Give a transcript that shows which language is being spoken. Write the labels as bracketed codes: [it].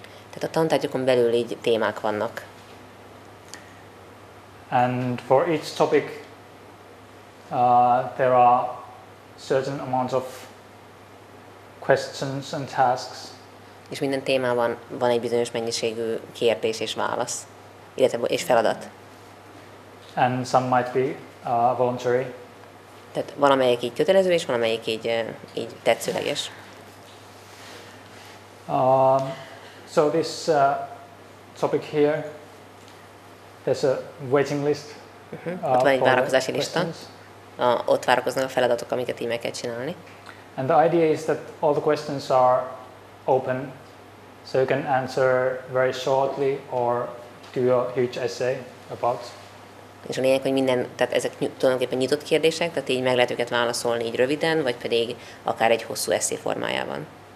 [hu] Tehát a tantárgyakon belül így témák vannak. [en] And for each topic, there are certain amounts of questions and tasks. [hu] És minden témában van egy bizonyos mennyiségű kérdés és válasz, illetve és feladat. [en] And some might be voluntary. [hu] Tehát valamelyik így kötelező és valamelyik így tetszőleges. [en] So this topic here, there's a waiting list. [hu] Ott van egy várakozási lista. Ott várakoznak a feladatok, amiket így meg kell csinálni. [en] And the idea is that all the questions are open, so you can answer very shortly or do a huge essay about. [hu] És a lényeg, hogy minden, tehát ezek tulajdonképpen nyitott kérdések, tehát így meg lehet őket válaszolni így röviden, vagy pedig akár egy hosszú essay formájában.